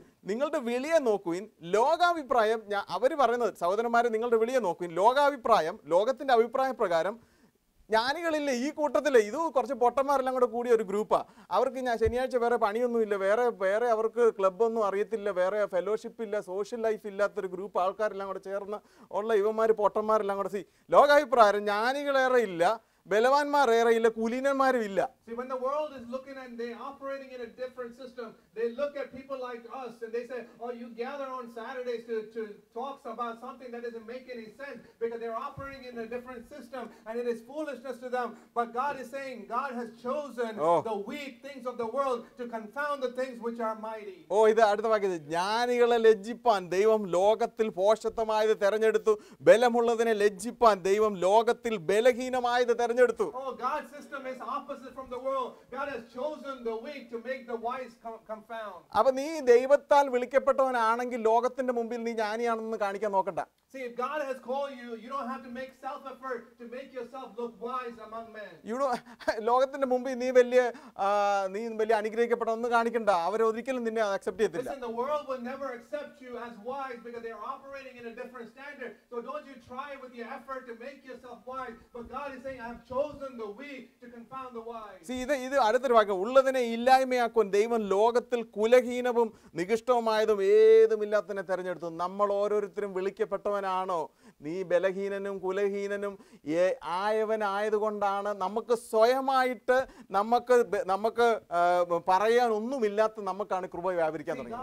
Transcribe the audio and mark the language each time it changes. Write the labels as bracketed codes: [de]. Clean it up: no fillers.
[ml] നിങ്ങളുടെ വിളിയെ നോക്കുവിൻ, ലോകാഭിപ്രായം, ഞാൻ അവർ പറയുന്നത് സഹോദരന്മാരെ നിങ്ങളുടെ വിളിയെ നോക്കുവിൻ, ലോകാഭിപ്രായം, ലോകത്തിൻ്റെ അഭിപ്രായ പ്രകാരം ജ്ഞാനികളില്ലേ ഈ കൂട്ടത്തിൽ, ഇത് കുറച്ച് പൊട്ടന്മാരെല്ലാം കൂടെ കൂടിയ ഒരു ഗ്രൂപ്പാണ്, അവർക്ക് ഞാൻ ശനിയാഴ്ച വേറെ പണിയൊന്നുമില്ല, വേറെ അവർക്ക് ക്ലബ്ബൊന്നും അറിയത്തില്ല, വേറെ ഫെലോഷിപ്പില്ല, സോഷ്യൽ ലൈഫ് ഇല്ലാത്തൊരു ഗ്രൂപ്പ് ആൾക്കാരെല്ലാം കൂടെ ചേർന്ന് ഉള്ള ഇവന്മാർ പൊട്ടന്മാരെല്ലാം കൂടെ സീ, ലോകാഭിപ്രായം ജ്ഞാനികളേറെ ഇല്ല, ബലവാന്മാരേറെ ഇല്ല, കുലീനന്മാരും ഇല്ല. [en] See, when the world is looking and they operating in a different system, they look at people like us and they say, oh, you gather on Saturdays to talk about something that doesn't make any sense, because they're operating in a different system and it is foolishness to them. But God is saying, God has chosen the weak things of the world to confound the things which are mighty. [ml] Oh, ഇത് അടുത്ത വാക്യം, ജ്ഞാനികളെ ലജ്ജിപ്പാൻ ദൈവം ലോകത്തിൽ പോഷത്തമായത് തിരഞ്ഞെടുത്തു, ബലമുള്ളതിനെ ലജ്ജിപ്പാൻ ദൈവം ലോകത്തിൽ ബലഹീനമായത് തിരഞ്ഞെടുത്തു. [en] Oh, God's system is opposite from the world. God has chosen the weak to make the wise confound. [ta] அப்ப நீ தெய்வத்தால் [ml] വിളിക്കപ്പെട്ടവനാണെങ്കിൽ ലോകത്തിന്റെ മുമ്പിൽ നീ ജ്ഞാനിയാണെന്ന് കാണിക്കാൻ നോക്കണ്ട. [en] See, if God has called you, you don't have to make self effort to make yourself look wise among men. You know, [ml] ലോകത്തിന്റെ മുമ്പിൽ നീ വലിയ അനുഗ്രഹിക്കപ്പെട്ടവനെന്ന് കാണിക്കണ്ട. അവർ ഒരിക്കലും നിന്നെ അക്സെപ്റ്റ് ചെയ്യത്തില്ല. [en] The world will never accept you as wise because they are operating in a different standard. So don't you try with your effort to make yourself wise. But God is saying, I have chosen the weak to confound the wise. [ml] ഇത് അടുത്തൊരു വാക്യം, ഉള്ളതിനെ ഇല്ലായ്മയാക്കും ദൈവം ലോകത്തിൽ കുലഹീനവും നികൃഷ്ടവുമായതും ഏതുമില്ലാത്തതിനെ തെരഞ്ഞെടുത്തു. നമ്മൾ ഓരോരുത്തരും വിളിക്കപ്പെട്ടവനാണോ? നീ ബലഹീനനും കുലഹീനനും ആയവനായതുകൊണ്ടാണ് നമുക്ക് സ്വയമായിട്ട് നമുക്ക് പറയാൻ ഒന്നുമില്ലാത്ത നമുക്കാണ് കൃപ വ്യാപരിക്കാൻ